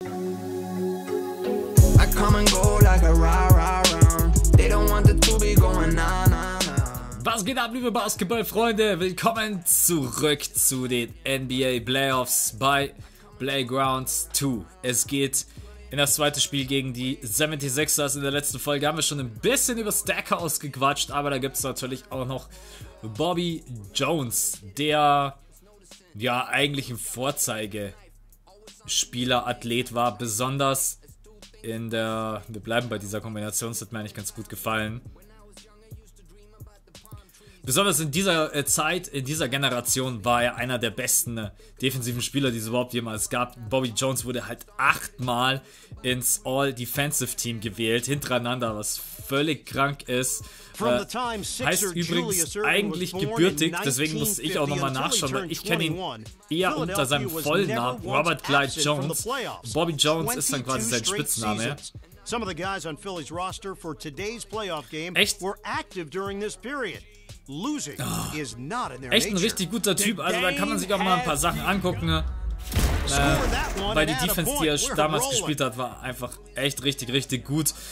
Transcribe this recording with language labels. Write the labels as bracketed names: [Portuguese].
[English] come and go like a rah-rah-round. They don't want the to be going na-na-na. [German] Was geht ab, liebe Basketballfreunde? Willkommen zurück zu den NBA Playoffs bei Playgrounds 2. Es geht in das zweite Spiel gegen die 76ers. In der letzten Folge haben wir schon ein bisschen über Stacker ausgequatscht, aber da gibt es natürlich auch noch Bobby Jones, der ja eigentlich ein Vorzeigespieler-Athlet war, besonders in der, wir bleiben bei dieser Kombination, das hat mir eigentlich ganz gut gefallen. Besonders in dieser Zeit, in dieser Generation, war er einer der besten defensiven Spieler, die es überhaupt jemals gab. Bobby Jones wurde halt 8-mal ins All-Defensive-Team gewählt, hintereinander, was völlig krank ist. Heißt übrigens eigentlich gebürtig, deswegen muss ich auch nochmal nachschauen, weil ich kenne ihn eher unter seinem vollen Namen, Robert Clyde Jones. Bobby Jones ist dann quasi sein Spitzname. [English] Some of the guys on Philly's roster for today's playoff game were active during this period. Losing is not in their nature. [German] Echt ein richtig guter Typ, also da kann man sich auch mal ein paar Sachen angucken, ne? Weil die Defense, die er damals gespielt hat, war einfach echt richtig, richtig gut.